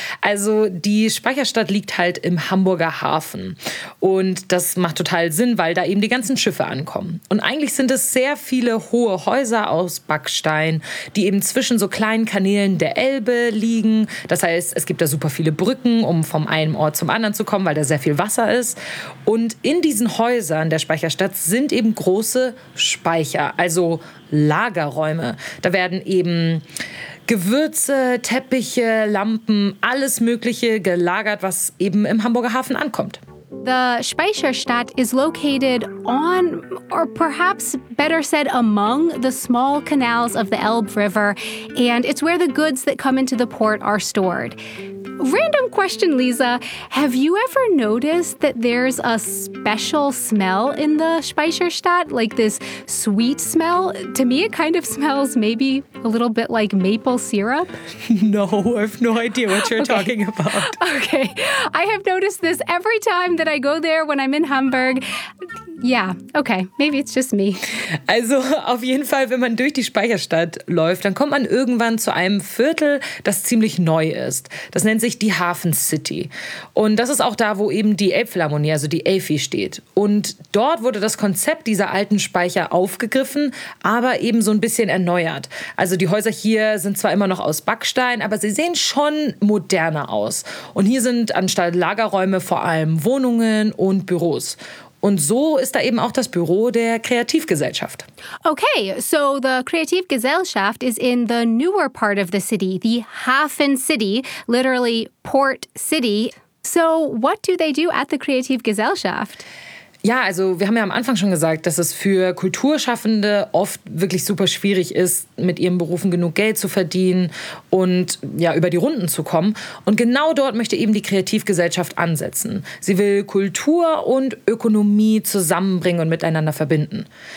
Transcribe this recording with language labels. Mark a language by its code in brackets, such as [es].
[de] Also die Speicherstadt liegt halt im Hamburger Hafen und das macht total Sinn, weil da eben die ganzen Schiffe ankommen. Und eigentlich sind es sehr viele hohe Häuser aus Backstein, die eben zwischen so kleinen Kanälen der Elbe liegen. Das heißt, es gibt da super viele Brücken, um vom einen Ort zum anderen zu kommen, weil da sehr viel Wasser ist. Und in diesen Häusern der Speicherstadt sind eben große Speicher, also Lagerräume. Da werden eben Gewürze, Teppiche, Lampen, alles Mögliche gelagert, was eben im Hamburger Hafen ankommt. [en] The Speicherstadt is located on, or perhaps better said, among the small canals of the Elbe River, and it's where the goods that come into the port are stored. Random question, Lisa. Have you ever noticed that there's a special smell in the Speicherstadt, like this sweet smell? To me, it kind of smells maybe a little bit like maple syrup. No, I have no idea what you're talking about. Okay. I have noticed this every time that I go there when I'm in Hamburg. Ja, okay, maybe it's just me. [de] Also auf jeden Fall, wenn man durch die Speicherstadt läuft, dann kommt man irgendwann zu einem Viertel, das ziemlich neu ist. Das nennt sich die Hafen City. Und das ist auch da, wo eben die Elbphilharmonie, also die Elfi, steht. Und dort wurde das Konzept dieser alten Speicher aufgegriffen, aber eben so ein bisschen erneuert. Also die Häuser hier sind zwar immer noch aus Backstein, aber sie sehen schon moderner aus. Und hier sind anstatt Lagerräume vor allem Wohnungen und Büros. Und so ist da eben auch das Büro der Kreativgesellschaft. [en] Okay, so the Kreativgesellschaft is in the newer part of the city, the Hafen City, literally Port City. So what do they do at the Kreativgesellschaft? [de] Ja, also wir haben ja am Anfang schon gesagt, dass es für Kulturschaffende oft wirklich super schwierig ist, mit ihren Berufen genug Geld zu verdienen und ja, über die Runden zu kommen. Und genau dort möchte eben die Kreativgesellschaft ansetzen. Sie will Kultur und Ökonomie zusammenbringen und miteinander verbinden.